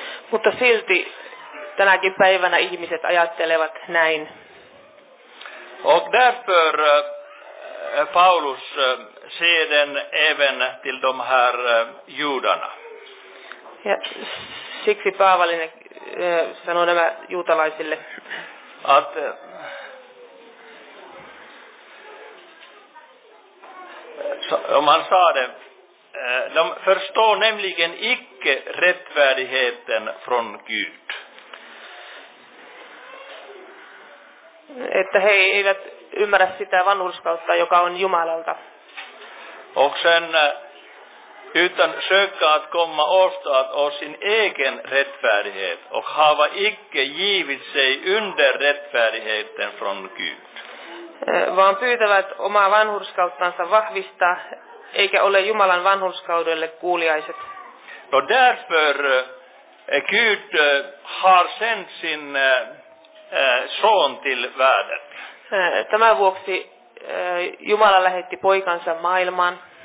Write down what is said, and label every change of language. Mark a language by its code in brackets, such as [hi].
[fi] Mutta silti tänäkin päivänä ihmiset ajattelevat näin. [sv] Och därför Paulus ser den även till de här judarna. [fi] Ja siksi Paavali sanoi nämä juutalaisille. [sv] Att om han sa det, de förstår nämligen icke rättfärdigheten från Gud. [fi] Että he eivät ymmärrä sitä vanhurskautta, joka on Jumalalta. [sv] Och sen utan söka att komma ostaat och sin egen rättfärdighet och hava icke givit sig under rättfärdigheten från Gud. [fi] Vaan pyytävät omaa vanhurskauttansa vahvistaa, eikä ole Jumalan vanhurskaudelle kuuliaiset. [sv] No därför Gud har sent sin son till världen. [fi] Tämän vuoksi Jumala lähetti poikansa maailmaan.